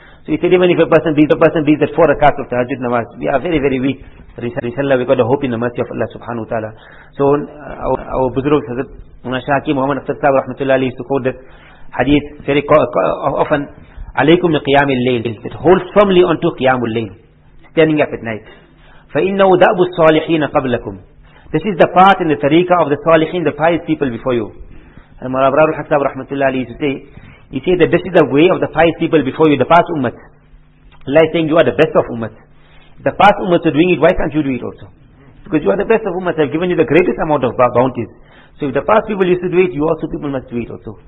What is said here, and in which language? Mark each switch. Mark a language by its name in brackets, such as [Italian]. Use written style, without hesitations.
[English] So he said, even if a person reads the 4 rakats of tahajjud namaz, we are very, very weak. But inshallah, we've got a hope in the mercy of Allah subhanahu wa ta'ala. So our buzurg, Hazrat Munashaki, Muhammad Afsar Sahib rahmatullah alayhi, used to quote this hadith very often. [Arabic] عليكم قيام الليل. [English] It holds firmly onto قيام الليل, standing up at night. [Arabic] فإنه دأب الصالحين قبلكم. [English] This is the path and the tariqah of the salihin, the pious people before you. And Marab Rabu Hassab rahmatullah alayhi used to say, he said that this is the way of the pious people before you, the past ummat. Allah is saying you are the best of ummat. The past ummat are doing it, why can't you do it also? Because you are the best of ummat, I've given you the greatest amount of bounties. So if the past people used to do it, you also people must do it also.